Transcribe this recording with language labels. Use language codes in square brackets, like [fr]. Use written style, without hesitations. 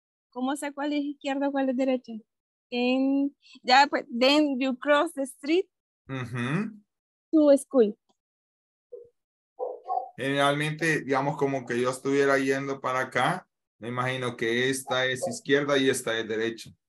[es] ¿Cómo sé cuál es izquierda o cuál es derecha? [en] then, yeah, but then you cross the street to school. [es] Generalmente, digamos, como que yo estuviera yendo para acá, me imagino que esta es izquierda y esta es derecha.